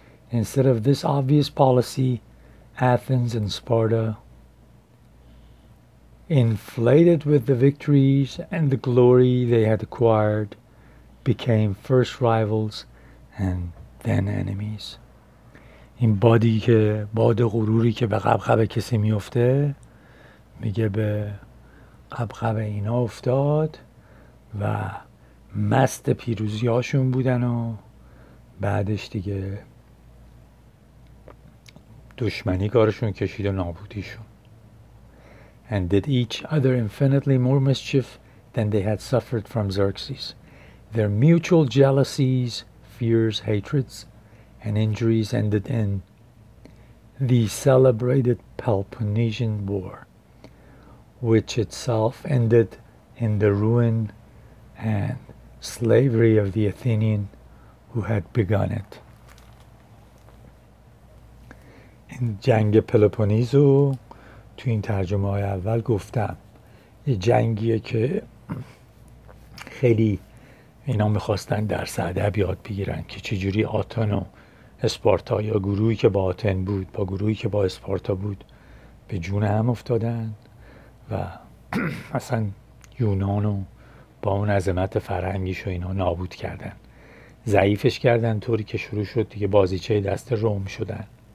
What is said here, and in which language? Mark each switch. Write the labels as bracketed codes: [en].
[en] Instead of this obvious policy, Athens and Sparta, inflated with the victories and the glory they had acquired, became first rivals and then enemies. [fa] این بادی که باد غروری که به غبغب کسی میفته میگه به غبغب اینا افتاد و مست پیروزی هاشون بودن و بعدش دیگه دشمنی کارشون کشید و نابودیشون. [en] And did each other infinitely more mischief than they had suffered from Xerxes. Their mutual jealousies, fears, hatreds, and injuries ended in the celebrated Peloponnesian War, which itself ended in the ruin and slavery of the Athenian who had begun it. [fa] In جنگ پلوپونیزو تو این ترجمه های اول گفتم یه جنگیه که خیلی اینا میخواستن در ادب یاد بگیرن که چجوری آتن و اسپارتا یا گروهی که با آتن بود با گروهی که با اسپارتا بود به جون هم افتادن و اصلا یونان رو با اون عظمت فرهنگیش و اینا نابود کردن، ضعیفش کردن طوری که شروع شد دیگه بازیچه دست روم شدن.